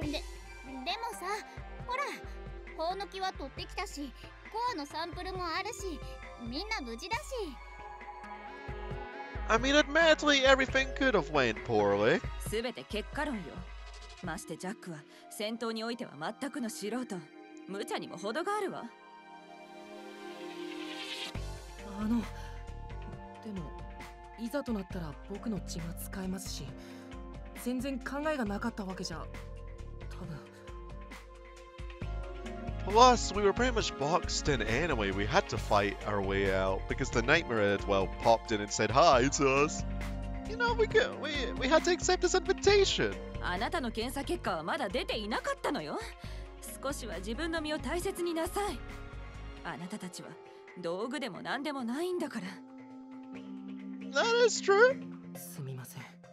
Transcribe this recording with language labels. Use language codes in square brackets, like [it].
[ja] でもさ、ほら、コウノキは取ってきたし、コアのサンプルもあるし、みんな無事だし。 [en] I mean, admittedly, everything could have went poorly. [ja] すべて結果論よ。ましてジャックは戦闘においては全くの素人。無茶にも程があるわ。あの、でもいざとなったら僕の血が使えますし、全然考えがなかったわけじゃ。多分。 [en] Plus, we were pretty much boxed in anyway. We had to fight our way out because the nightmare had, well, popped in and said hi to us. You know, we had to accept his invitation. [ja] あなたの検査結果はまだ出ていなかったのよ。少しは自分の身を大切になさい。あなたたちは道具でも何でもないんだから。 [en] That is true. [ja] すみません。